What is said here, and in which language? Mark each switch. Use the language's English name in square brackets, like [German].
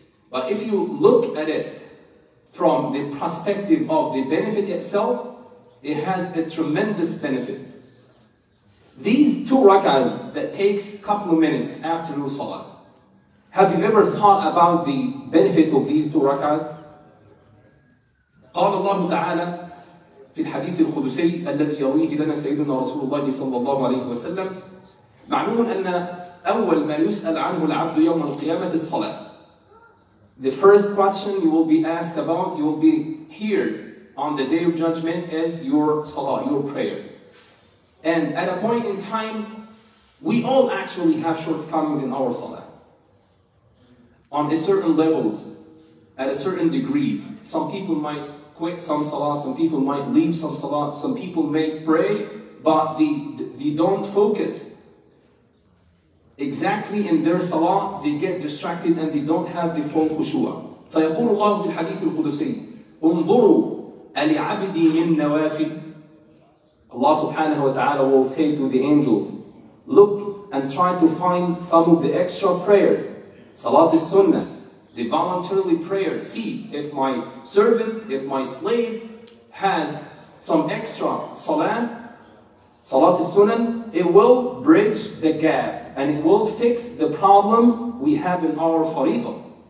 [English] But if you look at it from the perspective of the benefit itself, it has a tremendous benefit. These two rak'ahs that takes a couple of minutes after your salah, have you ever thought about the benefit of these two rak'ahs? [Arabic] قال الله تعالى في الحديث القدسي الذي يرويه لنا سيدنا رسول الله صلى الله عليه وسلم معلوم أن أول ما يسأل عنه العبد يوم القيامة الصلاة. [English] The first question you will be asked about, you will be heard on the day of judgment is your salah, your prayer. And at a point in time, we all actually have shortcomings in our salah. On a certain levels, at a certain degree, some people might quit some salah, some people might leave some salah, some people may pray, but they don't focus exactly in their salah, they get distracted and they don't have the full khushu'. [Arabic] فيقول الله في الحديث القدسي انظروا لعبدي من نوافل. [English] Allah subhanahu wa ta'ala will say to the angels, look and try to find some of the extra prayers, salat al-sunnah, the voluntarily prayer. See if my servant, if my slave has some extra salat, salat al-sunan, it will bridge the gap and it will fix the problem we have in our faridah.